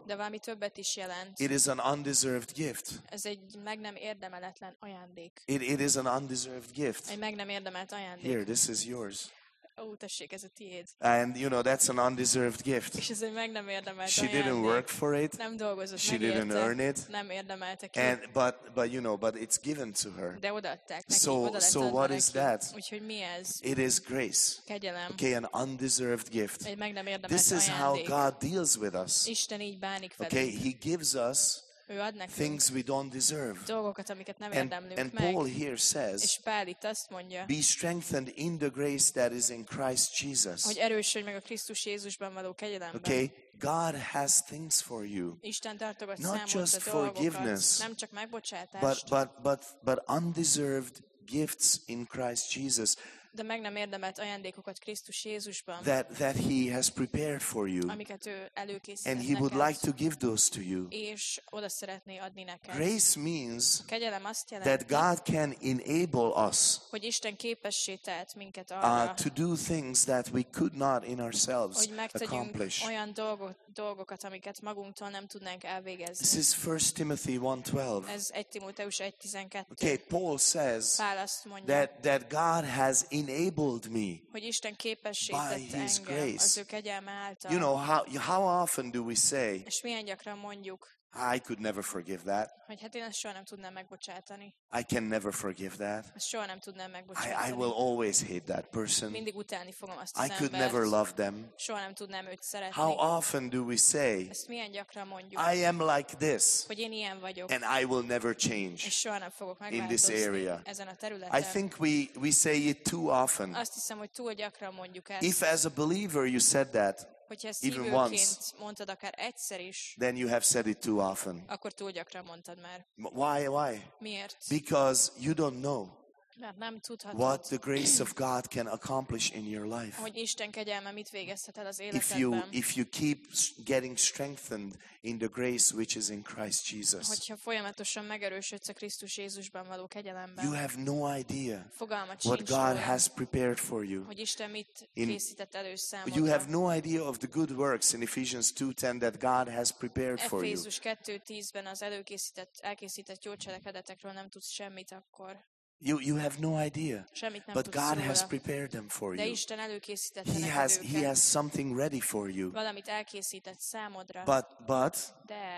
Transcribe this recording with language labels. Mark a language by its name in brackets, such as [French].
[Hungarian] De valami többet is jelent. [English] It is an undeserved gift. [Hungarian] Ez egy meg nem érdemeletlen ajándék. [English] It is an undeserved gift. [Hungarian] Egy meg nem érdemelt ajándék. [English] Here, this is yours. [Hungarian] Ó, tessék, ez a tiéd. [English] And you know, that's an undeserved gift. [Hungarian] És ez egy meg nem érdemelt [English] she [Hungarian] ajándék. [English] Didn't work for it. [Hungarian] Nem dolgozott [English] she [Hungarian] meg [English] didn't [Hungarian] érte. [English] Earn it. [Hungarian] Nem érdemelte ki. [English] And but you know, but it's given to her. [Hungarian] De odaadták neki. [English] So what is [Hungarian] neki. [English] That? [Hungarian] Úgyhogy mi ez? [English] It is grace. [Hungarian] Kegyelem. [English] Okay, an undeserved gift. [Hungarian] Egy meg nem érdemelt [English] this [Hungarian] ajándék. [English] Is how God deals with us. [Hungarian] Isten így bánik velünk. [English] Okay, he gives us [Hungarian] ő ad nekünk [English] things we don't deserve. [Hungarian] Dolgokat, amiket nem érdemlünk [English] and [Hungarian] meg. [English] Paul here says, [Hungarian] és Pál itt azt mondja, [English] be strengthened in the grace that is in Christ Jesus. [Hungarian] Hogy erősödj meg a Krisztus Jézusban való kegyelemben. [English] Okay, God has things for you. [Hungarian] Isten tartogat [English] not just forgiveness, [Hungarian] nem csak megbocsátást, [English] but undeserved gifts in Christ Jesus. [Hungarian] De meg nem érdemelt ajándékokat Krisztus Jézusban. [English] That he has prepared for you. [Hungarian] Amiket ő előkészített [English] and he [Hungarian] neked, [English] would like to give those to you. [Hungarian] És oda szeretné adni neked. [English] Grace means [Hungarian] kegyelem azt jelenti, [English] that God can enable us, [Hungarian] hogy Isten képessé tehet minket arra, [English] to do things that we could not in ourselves accomplish. [Hungarian] Hogy megtegyünk olyan dolgokat, amiket magunktól nem tudnánk elvégezni. [English] This is 1 Timothy 1:12. [Hungarian] Ez 1 Timóteus 1:12. [English] Okay, Paul says [Hungarian] Pál azt mondja, [English] that God has enabled me [Hungarian] hogy Isten képessé [English] by [Hungarian] tette [English] his [Hungarian] engem, [English] grace. [Hungarian] Az ő kegyelme által. [English] You know, how often do we say, [Hungarian] és milyen gyakran mondjuk, [English] I could never forgive that. [Hungarian] Hogy hát én ezt soha nem tudnám megbocsátani. [English] I can never forgive that. [Hungarian] Ezt soha nem tudnám megbocsátani. [English] I will always hate that person. [Hungarian] Mindig utálni fogom azt az [English] I [Hungarian] embert. [English] Could never love them. [Hungarian] Soha nem tudnám őt szeretni. [English] How often do we say, [Hungarian] ezt milyen gyakran mondjuk, [English] I am like this. [Hungarian] Hogy én ilyen vagyok. [English] And I will never change. [Hungarian] És soha nem fogok megváltozni [English] in this area. [Hungarian] Ezen a területen. [English] I think we say it too often. [Hungarian] Azt hiszem, hogy túl gyakran mondjuk ezt. [English] If as a believer you said that, [Hungarian] hogyha ezt hívőként mondtad akár egyszer is, [English] then you have said it too often. [Hungarian] Akkor túl gyakran mondtad már. [English] Why? [Hungarian] Miért? [English] Because you don't know [Hungarian] nem tudhatod, [English] what the grace of God can accomplish in your life. [Hungarian] Hogy Isten kegyelme mit végezhet el az életedben. [English] If you keep getting strengthened in the grace which is in Christ Jesus. [Hungarian] Hogyha folyamatosan megerősödsz a Krisztus Jézusban való kegyelemben. [English] You have no idea [Hungarian] fogalmat [English] what God has prepared for you. [Hungarian] Hogy Isten mit készített elő számodra. [English] You have no idea of the good works in Ephesians 2:10 that God has prepared for you. [Hungarian] Efézus 2:10-ben az elkészített jó cselekedetekről nem tudsz semmit akkor. [English] You have no idea, [Hungarian] semmit nem [English] but God [Hungarian] róla. [English] Has prepared them for [Hungarian] de [English] you. [Hungarian] Isten előkészítette [English] he has [Hungarian] őket. [English] He has something ready for you. [Hungarian] Valamit elkészített számodra. [English] But [Hungarian] de,